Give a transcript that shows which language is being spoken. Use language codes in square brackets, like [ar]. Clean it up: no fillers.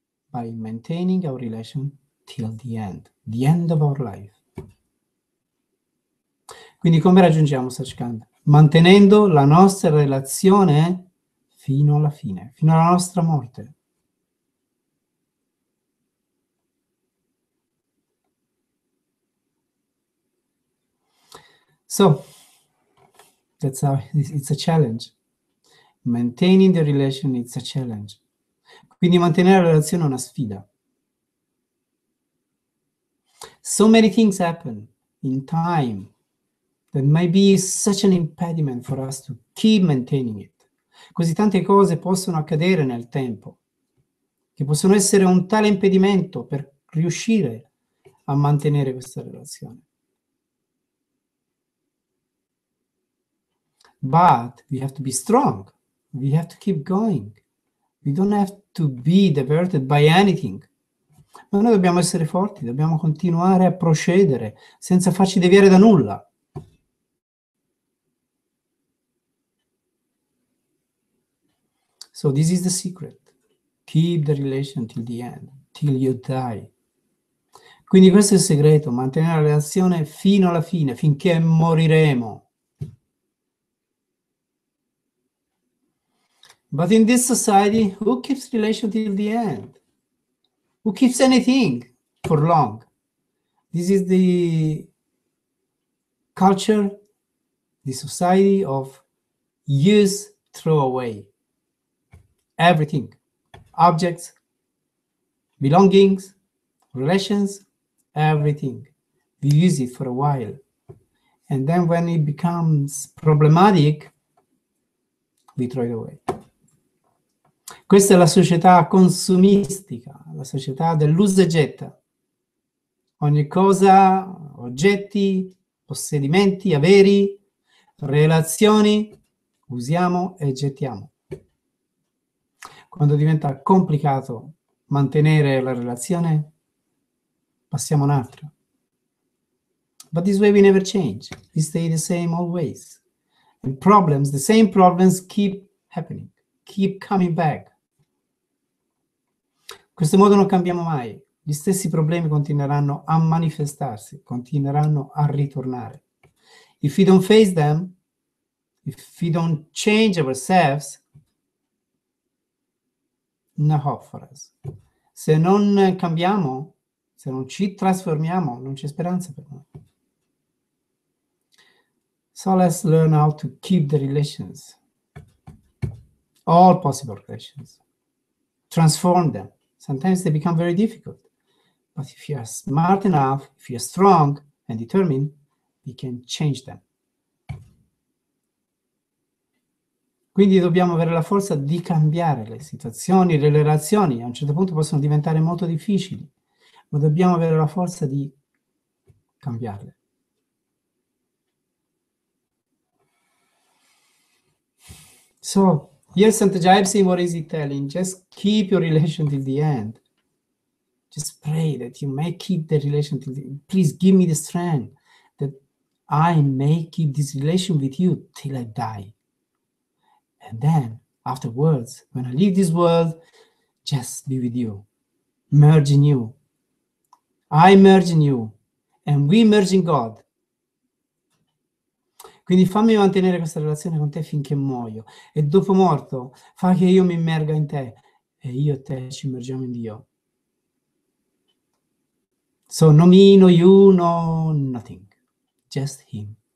[en] By maintaining our relation till the end of our life. [it] Quindi come raggiungiamo Satsang? Mantenendo la nostra relazione fino alla fine, fino alla nostra morte. [en] So, it's a challenge. Maintaining the relation is a challenge. [it] Quindi mantenere la relazione è una sfida. [en] So many things happen in time that might be such an impediment for us to keep maintaining it. [it] Così tante cose possono accadere nel tempo che possono essere un tale impedimento per riuscire a mantenere questa relazione. [en] But we have to be strong. We have to keep going. We don't have to be diverted by anything. [it] Ma noi dobbiamo essere forti, dobbiamo continuare a procedere senza farci deviare da nulla. [en] So this is the secret. Keep the relation till the end, till you die. [it] Quindi questo è il segreto, mantenere la relazione fino alla fine, finché moriremo. [en] But in this society, who keeps relation till the end? Who keeps anything for long? This is the culture, the society of use, throw away. Everything, objects, belongings, relations, everything. We use it for a while. And then when it becomes problematic, we throw it away. [it] Questa è la società consumistica, la società dell'usa e getta. Ogni cosa, oggetti, possedimenti, averi, relazioni, usiamo e gettiamo. Quando diventa complicato mantenere la relazione, passiamo un altro. [en] But this way we never change. We stay the same always. And problems, the same problems keep happening, keep coming back. [it] In questo modo non cambiamo mai. Gli stessi problemi continueranno a manifestarsi, continueranno a ritornare. [en] If we don't face them, if we don't change ourselves, no hope for us. [it] Se non cambiamo, se non ci trasformiamo, non c'è speranza per noi. [en] So let's learn how to keep the relations, all possible relations, transform them. Sometimes they become very difficult, But if you are smart enough, if you are strong and determined, you can change them. [it] Quindi dobbiamo avere la forza di cambiare le situazioni, le relazioni. A un certo punto possono diventare molto difficili, ma dobbiamo avere la forza di cambiarle. [en] So, yes, Santa Jaipsi, what is he telling? Just keep your relation till the end. Just pray that you may keep the relation till the end. Please give me the strength that I may keep this relation with you till I die. And then, afterwards, when I leave this world, just be with you, merge in you. I merge in you, and we merge in God. [it] Quindi fammi mantenere questa relazione con te finché muoio. E dopo morto, fa che io mi immerga in te e io e te ci immergiamo in Dio. [en] So, no me, no you, no nothing. Just him.